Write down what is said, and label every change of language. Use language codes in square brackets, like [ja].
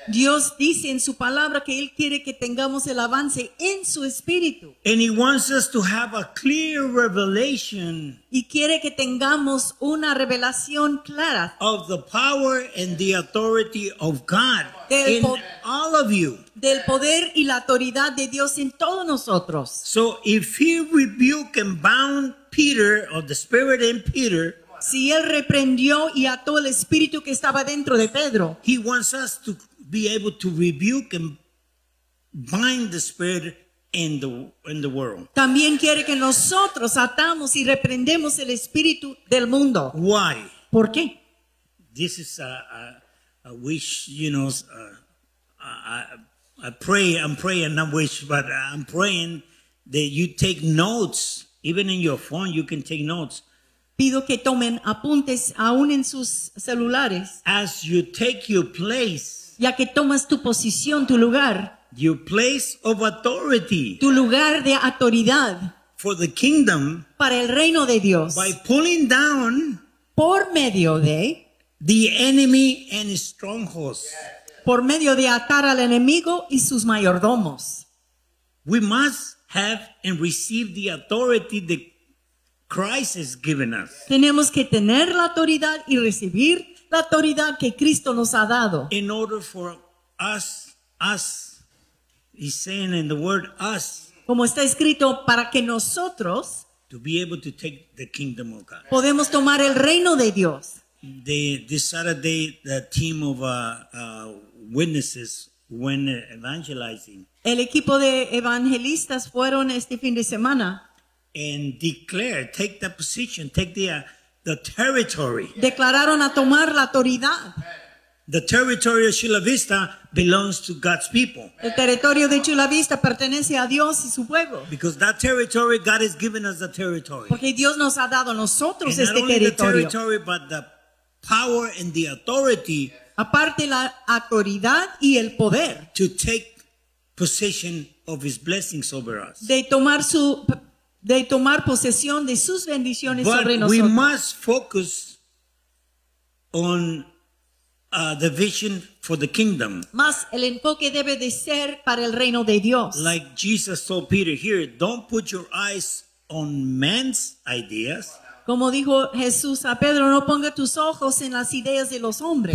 [es] Dios dice en su palabra que él quiere que tengamos el avance en su espíritu. [en] And he wants us to have a clear revelation. [es] Y quiere que tengamos una revelación clara. [en] Of the power and the authority of God in all of you. [es] Del poder y la autoridad de Dios en todos nosotros. [en] So if he rebuked and bound Peter, or the spirit in Peter, [es] si él reprendió y ató el espíritu que estaba dentro de Pedro. [en] He wants us to be able to rebuke and bind the spirit in the world. [es] También quiere que nosotros atamos y reprendemos el espíritu del mundo. [en] Why? [es] ¿Por qué? [en] This is a wish, you know, I'm praying that you take notes, even in your phone you can take notes. [es] Pido que tomen apuntes aún en sus celulares. [en] As you take your place. [es] Ya que tomas tu posición, tu lugar. [en] Your place of authority. [es] Tu lugar de autoridad. [en] For the kingdom. [es] Para el reino de Dios. [en] By pulling down. [es] Por medio de. [en] The enemy and strongholds. [es] Por medio de atar al enemigo y sus mayordomos. [en] We must have and receive the authority that Christ has given us. [es] Tenemos que tener la autoridad y recibir la autoridad que Cristo nos ha dado. [en] In order for us, he's saying in the word us. [es] Como está escrito, para que nosotros. [en] To be able to take the kingdom of God. [es] Podemos tomar el reino de Dios. [en] This Saturday, the team of witnesses went evangelizing. [es] El equipo de evangelistas fueron este fin de semana. [en] And declare, take the position, take the the territory. [es] Declararon a tomar la autoridad. [en] The territory of Chula Vista belongs to God's people. [es] El territorio de Chula Vista pertenece a Dios y su pueblo. [en] Because that territory, God has given us the territory. [es] Porque Dios nos ha dado nosotros este territorio. [en] And not only the territory, but the power and the authority. [es] Aparte la autoridad y el poder. [en] To take possession of His blessings over us. [es] De tomar posesión de sus bendiciones [en] but [es] sobre nosotros. [en] We must focus on the vision for the kingdom. [es] Mas el enfoque debe de ser para el reino de Dios. [en] Like Jesus told Peter here, don't put your eyes on man's ideas. [es] Como dijo Jesús a Pedro, no ponga tus ojos en las ideas de los hombres.